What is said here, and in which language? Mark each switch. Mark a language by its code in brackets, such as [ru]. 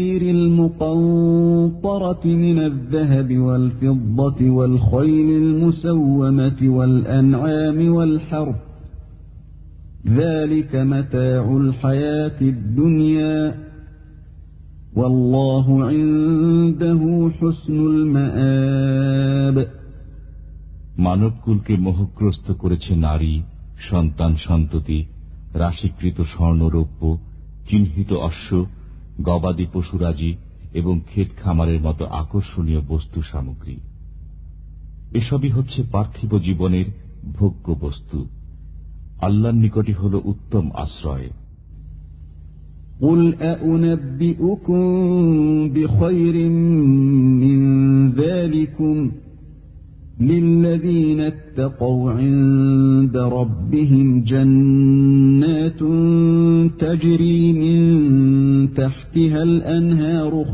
[ar] المقنطرة من الذهب والفضة والخيل المسومة والأنعام والحرث ذلك متاع الحياة الدنيا والله عنده حسن المآب [bn] মানবকুলকে মোহগ্রস্ত করেছে নারী, সন্তান সন্ততি, রাশিকৃত স্বর্ণরৌপ্য, চিহ্নিত অশ্ব, গবাদি পশুরাজি এবং ক্ষেত খামারের মতো আকর্ষণীয় বস্তু সামগ্রী। এসবই হচ্ছে পার্থিব জীবনের ভোগ্য বস্তু। আল্লাহর নিকটই হল উত্তম আশ্রয়। [ar] قل أأنبئكم بخير من ذلكم للذين اتقوا عند ربهم جنات تجري من تحتها الأنهار